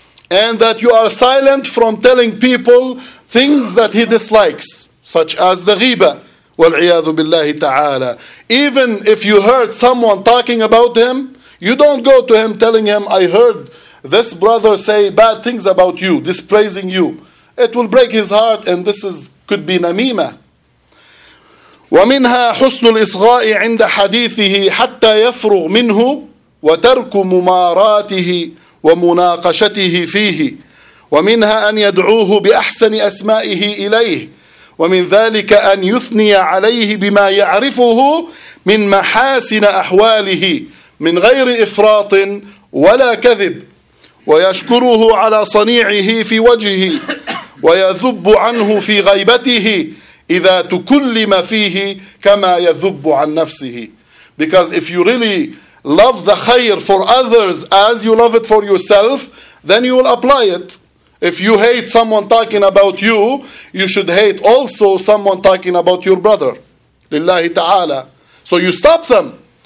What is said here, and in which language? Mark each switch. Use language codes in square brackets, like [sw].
[en] And that you are silent from telling people things that he dislikes, such as the ghiba, wal'iyadu billahi ta'ala. Even if you heard someone talking about him, you don't go to him telling him, I heard this brother say bad things about you, dispraising you. It will break his heart, and this is could be namima. [ar] ومنها حسن الإصغاء عند حديثه حتى يفرغ منه وترك مماراته ومناقشته فيه. ومنها أن يدعوه بأحسن أسمائه إليه. ومن ذلك أن يثني عليه بما يعرفه من محاسن أحواله من غير إفراط ولا كذب. ويشكره على صنيعه في وجهه ويذب عنه في غيبته إذا تكلم فيه كما يذب عن نفسه. [en] Because if you really love the khair for others as you love it for yourself, then you will apply it. If you hate someone talking about you, you should hate also someone talking about your brother. [ar] لله تعالى. [en] So you stop them.